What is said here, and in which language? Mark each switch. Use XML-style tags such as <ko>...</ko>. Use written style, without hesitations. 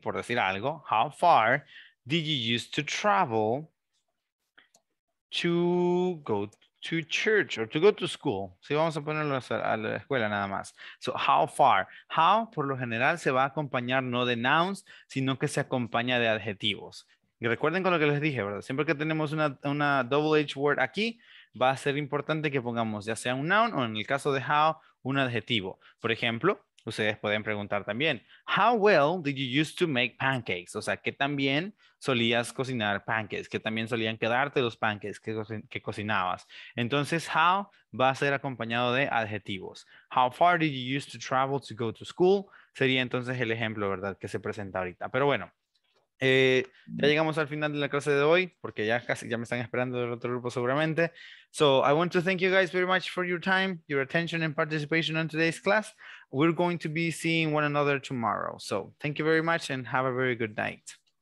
<es>Por decir algo,</es> <en>how far did you used to travel to go to church or to go to school?</en> <es>Sí, vamos a ponerlo a la escuela nada más.</es> <en>So, how far.</en> <es>How, por lo general, se va a acompañar no de nouns, sino que se acompaña de adjetivos. Y recuerden con lo que les dije, ¿verdad? Siempre que tenemos una double H word aquí, va a ser importante que pongamos ya sea un noun o en el caso de how, un adjetivo. Por ejemplo, ustedes pueden preguntar también,</es> <en>how well did you used to make pancakes?</en> <es>O sea, ¿qué tan bien solías cocinar pancakes? ¿Qué tan bien solían quedarte los pancakes que cocinabas? Entonces, how va a ser acompañado de adjetivos.</es> <en>How far did you used to travel to go to school?</en> <es>Sería entonces el ejemplo, ¿verdad?, que se presenta ahorita. Pero bueno, ya llegamos al final de la clase de hoy, porque ya casi ya me están esperando del otro grupo seguramente.</es> <en>So, I want to thank you guys very much for your time, your attention and participation in today's class. We're going to be seeing one another tomorrow. So, thank you very much and have a very good night.</en>